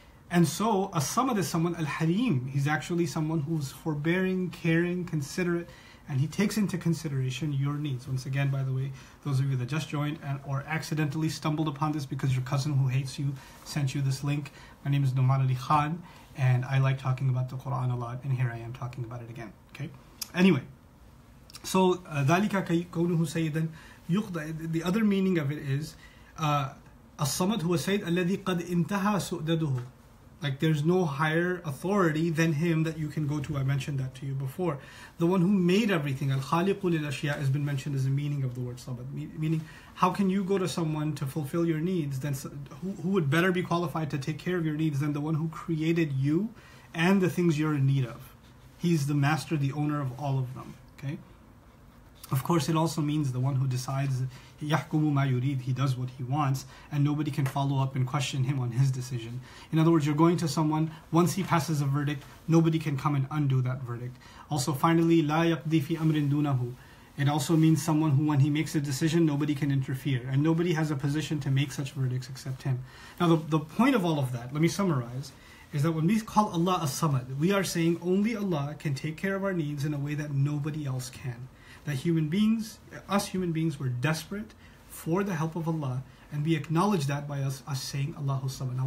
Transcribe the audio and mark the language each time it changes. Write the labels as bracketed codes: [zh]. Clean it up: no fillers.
[en] And so, a samad is someone, al-halim. He's actually someone who's forbearing, caring, considerate, and he takes into consideration your needs. Once again, by the way, those of you that just joined and or accidentally stumbled upon this because your cousin who hates you sent you this link. My name is Nouman Ali Khan, and I like talking about the Quran a lot, and here I am talking about it again. Okay. [ar] Anyway, so ذَلِكَ كَوْنُهُ سَيِّدًا يُخْضَى. The other meaning of it is, [en] الصَّمَدْ هُوَ سَيِّدْ أَلَّذِي قَدْ إِنْتَهَى سُؤْدَدُهُ. Like there's no higher authority than him that you can go to. I mentioned that to you before. The one who made everything, al-khaliqu lil-ashiya, has been mentioned as the meaning of the word sabad. Meaning, how can you go to someone to fulfill your needs? Then who would better be qualified to take care of your needs than the one who created you and the things you're in need of? He's the master, the owner of all of them. Okay. Of course, it also means the one who decides, [ar] يَحْكُمُ مَا يُرِيدُ, [en] he does what he wants, and nobody can follow up and question him on his decision. In other words, you're going to someone, once he passes a verdict, nobody can come and undo that verdict. Also, finally, [ar] لَا يَقْضِي فِي أَمْرٍ دُونَهُ. [en] It also means someone who, when he makes a decision, nobody can interfere, and nobody has a position to make such verdicts except him. Now, the point of all of that, let me summarize, is that when we call Allah as-samad, we are saying only Allah can take care of our needs in a way that nobody else can. That human beings, us human beings, were desperate for the help of Allah, and we acknowledge that by us saying Allahu Samad.